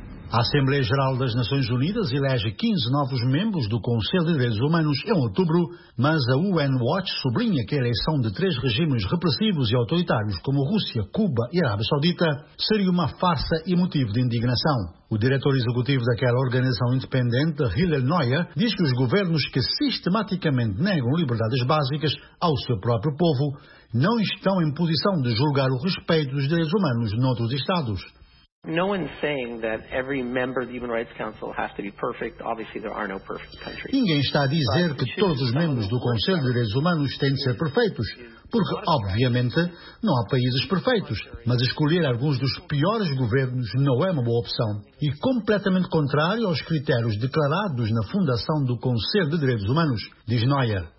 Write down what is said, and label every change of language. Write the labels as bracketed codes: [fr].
[pt] A Assembleia Geral das Nações Unidas elege 15 novos membros do Conselho de Direitos Humanos em outubro, mas a UN Watch sublinha que a eleição de três regimes repressivos e autoritários como Rússia, Cuba e Arábia Saudita seria uma farsa e motivo de indignação. O diretor executivo daquela organização independente, Hillel Noyer, diz que os governos que sistematicamente negam liberdades básicas ao seu próprio povo não estão em posição de julgar o respeito dos direitos humanos noutros estados. [en] No one's saying that every member of the Human Rights Council has to be perfect. Obviously, there are no perfect countries. [pt] Ninguém está a dizer que todos os membros do Conselho de Direitos Humanos têm de ser perfeitos, porque, obviamente, não há países perfeitos, mas escolher alguns dos piores governos não é uma boa opção. E completamente contrário aos critérios declarados na fundação do Conselho de Direitos Humanos, diz Noyer.